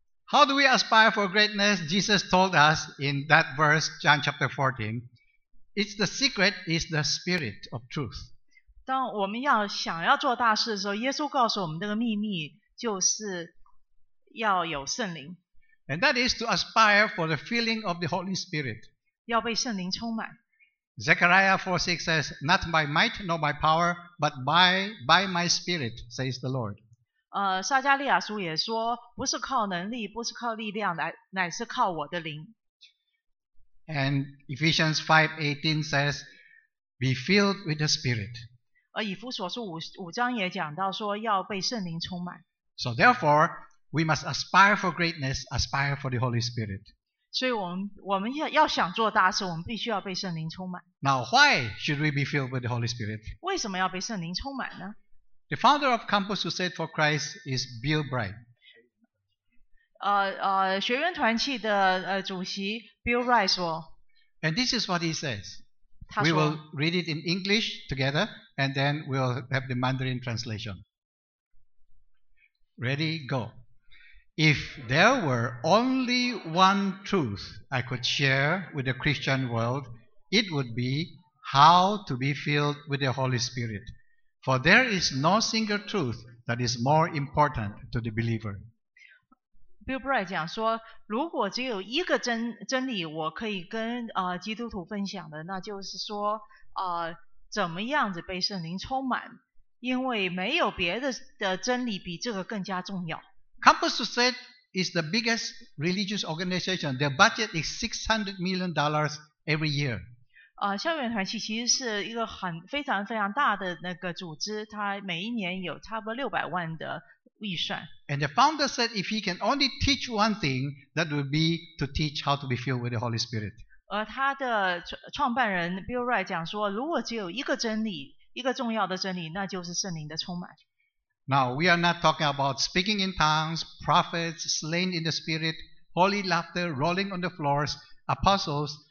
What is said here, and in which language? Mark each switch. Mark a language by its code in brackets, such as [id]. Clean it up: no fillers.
[en] For greatness, Jesus told us in that verse, John chapter 14, it's the secret is the spirit of truth. [zh] 当我们要想要做大事的时候，耶稣告诉我们这个秘密就是要有圣灵。 [en] And that is to aspire for the filling of the Holy Spirit. [zh] 要被圣灵充满。 [en] Zechariah 4:6 says, "Not by might nor by power, but by my spirit," says the Lord. [zh] 撒加利亚书也说，不是靠能力，不是靠力量，乃是靠我的灵。 [en] And Ephesians 5:18 says, "Be filled with the Spirit." [zh] 以弗所书五章也讲到说，要被圣灵充满。 [en] So therefore, we must aspire for greatness, aspire for the Holy Spirit. [zh] 所以我们要想做大事，我们必须要被圣灵充满。 [en] Now, why should we be filled with the Holy Spirit? [zh] 为什么要被圣灵充满呢？ [en] The founder of Campus Crusade for Christ is Bill Bright. [zh] 学员团契的主席 Bill Bright 说。 [en] And this is what he says. [zh] 他说。 [en] We will read it in English together, and then we'll have the Mandarin translation. Ready, go. If there were only one truth I could share with the Christian world, it would be how to be filled with the Holy Spirit. For there is no single truth that is more important to the believer. [zh] Bill Bright 讲说，如果只有一个真理我可以跟基督徒分享的，那就是说怎么样子被圣灵充满，因为没有别的真理比这个更加重要。 [en] Campus Crusade is the biggest religious organization. Their budget is $600 million every year. [zh] 校园团契其实是一个很非常非常大的那个组织，它每一年有差不多600万的预算。 [en] And the founder said if he can only teach one thing, that would be to teach how to be filled with the Holy Spirit. [zh] 而他的创办人 Bill Wright 讲说，如果只有一个真理，一个重要的真理，那就是圣灵的充满。 [en] Now we are not talking about speaking in tongues, prophets slain in the spirit, holy laughter rolling on the floors, apostles.